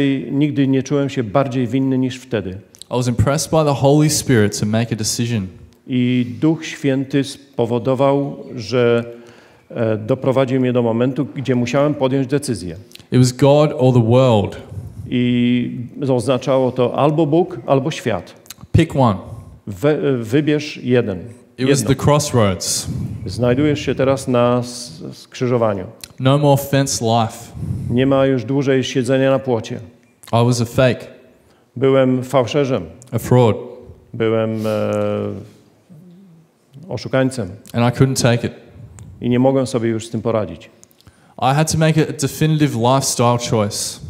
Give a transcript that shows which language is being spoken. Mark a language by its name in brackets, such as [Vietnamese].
[Polish] Nigdy nie czułem się bardziej winny niż wtedy. [English] I was impressed by the Holy Spirit to make a decision. [Polish] I Duch Święty spowodował, że doprowadził mnie do momentu, gdzie musiałem podjąć decyzję. [English] It was God or the world. [Polish] I oznaczało to albo Bóg, albo świat. [English] Pick one. [Polish] Wybierz jeden. [English] It was the crossroads. [Polish] Znajdujesz się teraz na skrzyżowaniu. [English] No more fence life. [Polish] Nie ma już dłużej siedzenia na płocie. [English] I was a fake. [Polish] Byłem fałszerzem. [English] A fraud. [Polish] Byłem oszukańcem. [English] And I couldn't take it. [Polish] I nie mogłem sobie już z tym poradzić. [English] I had to make a definitive lifestyle choice.